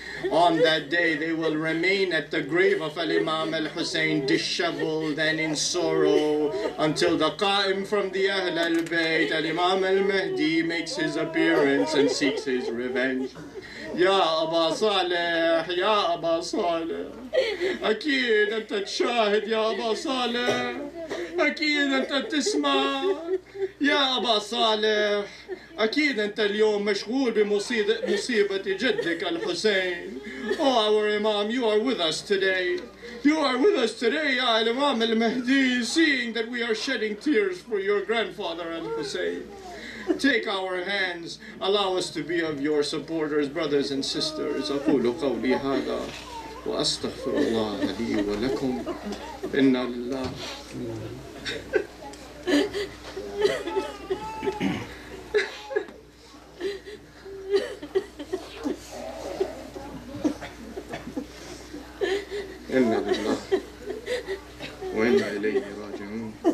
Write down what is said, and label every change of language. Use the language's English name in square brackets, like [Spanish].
[English] On that day, they will remain at the grave of Al-Imam Al-Hussein, disheveled and in sorrow, until the Qa'im from the Ahl al-Bayt, Al-Imam Al-Mahdi, makes his appearance and seeks his revenge. [Arabic] Ya Aba Saleh, Ya Aba Saleh. أكيد أنت تشاهد يا أبا صالح أكيد أنت تسمع يا أبا صالح أكيد أنت اليوم مشغول بمصيبة جدك الحسين. [English] Oh our Imam, you are with us today. You are with us today, يا الإمام المهدي, seeing that we are shedding tears for your grandfather al-Hussein. Take our hands, allow us to be of your supporters, brothers and sisters. [Arabic] أقول قولي هذا وأستغفر الله لي ولكم إن الله إن لله وإنا إليه راجعون